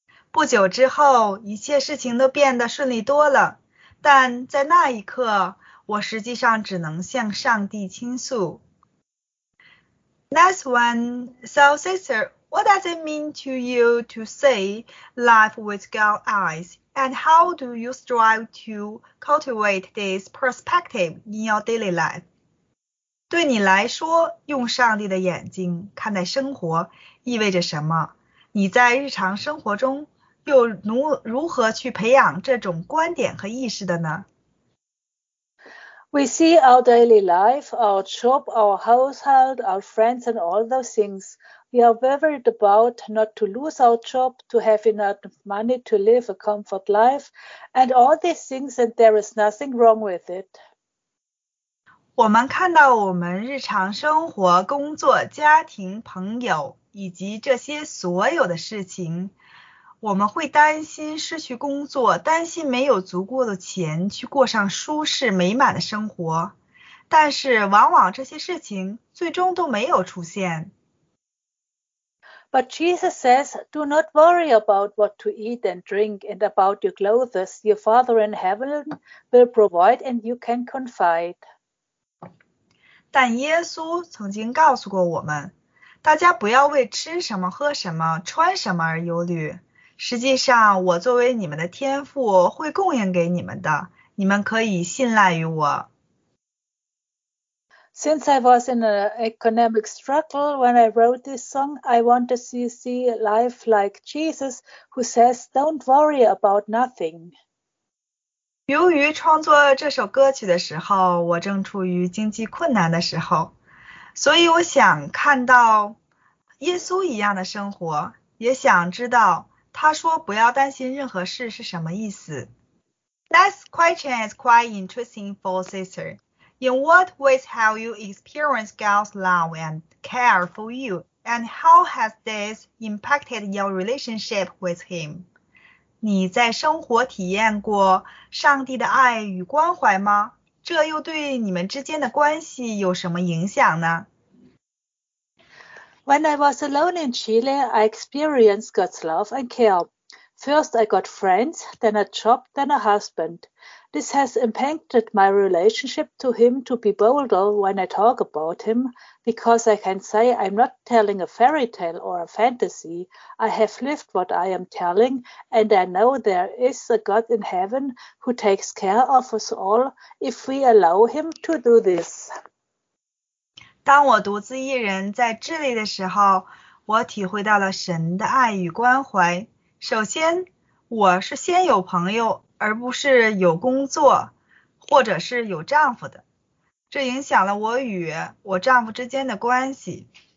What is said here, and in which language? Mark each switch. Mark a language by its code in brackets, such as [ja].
[zh] 不久之后，一切事情都变得顺利多了，但在那一刻，我实际上只能向上帝倾诉。 [en] Next one, so sister, what does it mean to you to see life with God's eyes, and how do you strive to cultivate this perspective in your daily life? [zh] 对你来说，用上帝的眼睛看待生活意味着什么？你在日常生活中又如何去培养这种观点和意识的呢？ [en] We see our daily life, our job, our household, our friends and all those things. We are worried about not to lose our job, to have enough money to live a comfort life, and all these things, and there is nothing wrong with it. [zh] 我们看到我们日常生活、工作、家庭、朋友以及这些所有的事情，我们会担心失去工作，担心没有足够的钱去过上舒适美满的生活，但是往往这些事情最终都没有出现。 [en] But Jesus says, do not worry about what to eat and drink and about your clothes. Your Father in heaven will provide and you can confide. [zh] 但耶稣曾经告诉过我们，大家不要为吃什么、喝什么、穿什么而忧虑。实际上，我作为你们的天父会供应给你们的，你们可以信赖于我。 [en] Since I was in an economic struggle when I wrote this song, I want to see life like Jesus, who says, "Don't worry about nothing." [zh] 由于创作这首歌曲的时候，我正处于经济困难的时候，所以我想看到耶稣一样的生活，也想知道他说不要担心任何事是什么意思。 [en] Next question is quite interesting for sister. In what ways have you experienced God's love and care for you, and how has this impacted your relationship with him? [zh] 你在生活体验过上帝的爱与关怀吗？这又对你们之间的关系有什么影响呢？ [en] When I was alone in Chile, I experienced God's love and care. First, I got friends, then a job, then a husband. This has impacted my relationship to him to be bolder when I talk about him, because I can say I'm not telling a fairy tale or a fantasy. I have lived what I am telling, and I know there is a God in heaven who takes care of us all if we allow him to do this. [zh] 当我独自一人在智利的时候，我体会到了神的爱与关怀。首先，我是先有朋友，而不是有工作，或者是有丈夫的。这影响了我与我丈夫之间的关系。